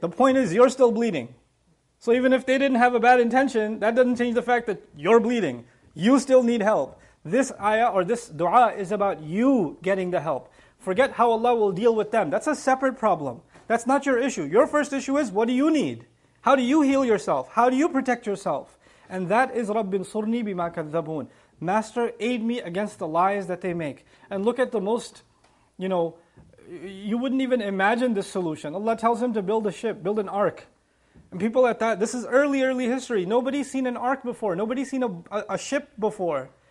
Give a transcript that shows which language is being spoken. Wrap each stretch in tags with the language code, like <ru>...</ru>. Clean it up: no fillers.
<en>The point is, you're still bleeding. So even if they didn't have a bad intention, that doesn't change the fact that you're bleeding. You still need help. This ayah or this dua is about you getting the help. Forget how Allah will deal with them. That's a separate problem. That's not your issue. Your first issue is, what do you need? How do you heal yourself? How do you protect yourself?</en> <ar>And that is رَبِّ انصُرْنِي بِمَا كَذَّبُونَ.</ar> <en>Master, aid me against the lies that they make. And look at the most, you know, you wouldn't even imagine this solution. Allah tells him to build a ship, build an ark. And people at that, this is early history. Nobody's seen an ark before. Nobody's seen a ship before.</en>